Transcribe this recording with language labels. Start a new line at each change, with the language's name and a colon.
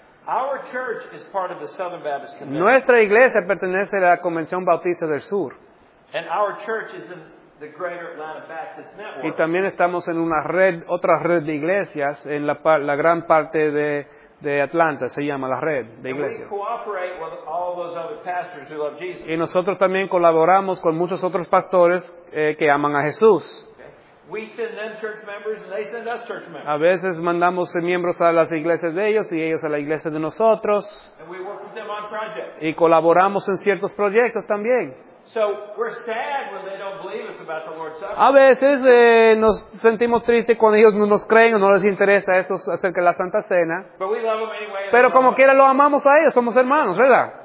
English: Our church is part of the Southern Baptist Convention.
Spanish: Nuestra iglesia pertenece a la Convención Bautista del Sur.
English: And our church is in the Greater Atlanta Baptist Network.
Spanish: Y también estamos en una red, otra red de iglesias en la gran parte de Atlanta, se llama la red de iglesias.
English: And we cooperate with all those other pastors who love Jesus.
Spanish: Y nosotros también colaboramos con muchos otros pastores que aman a Jesús.
English: We send them church members and they send us church members.
Spanish: A veces mandamos miembros a las iglesias de ellos y ellos a la iglesia de nosotros.
English: And we work with them on projects.
Spanish: Y colaboramos en ciertos proyectos también.
English: So we're sad when they don't believe us about the Lord's Supper.
Spanish: A veces nos sentimos tristes cuando ellos no nos creen o no les interesa eso acerca de la Santa Cena.
English: But we love them anyway.
Spanish: Pero como quiera lo amamos a ellos, somos hermanos, ¿verdad?